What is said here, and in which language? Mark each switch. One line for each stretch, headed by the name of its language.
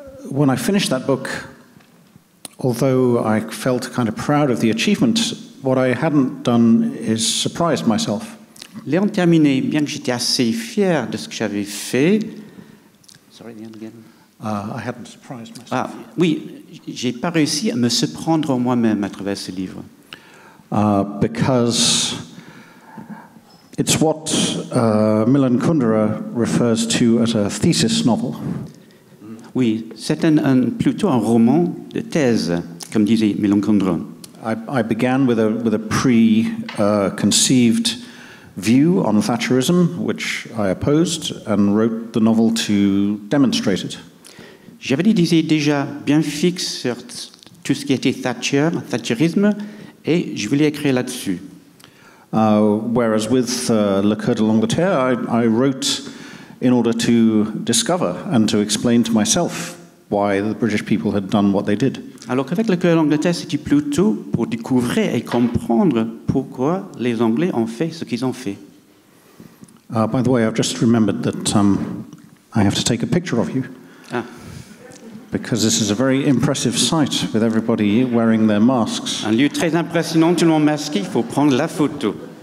English: when I finished that book, although I felt kind of proud of the achievement, what I hadn't done is surprised myself.
French: L'ayant terminé, bien que j'étais assez fier de ce que j'avais fait,
English: sorry, the end again. I hadn't surprised myself.
French: Ah, oui. J'ai pas réussi à me surprendre moi-même à travers ce livre.
English: Because it's what Milan Kundera refers to as a thesis novel.
French: Oui, c'est plutôt un roman de thèse, comme disait Milan Kundera.
English: I began with a preconceived view on Thatcherism, which I opposed, and wrote the novel to demonstrate it.
French: J'avais des idées déjà bien fixes sur tout ce qui était Thatcher, Thatcherisme, et je voulais écrire là-dessus.
English: Whereas with Le Coeur de l'Angleterre, I wrote in order to discover and to explain to myself why the British people had done what they did.
French: Alors qu'avec Le Coeur de l'Angleterre, c'était plutôt pour découvrir et comprendre pourquoi les Anglais ont fait ce qu'ils ont fait.
English: By the way, I've just remembered that I have to take a picture of you. Ah. Because this is a very impressive sight with everybody wearing their masks.
French: Un lieu très impressionnant, tout le monde masqué, il faut prendre la photo.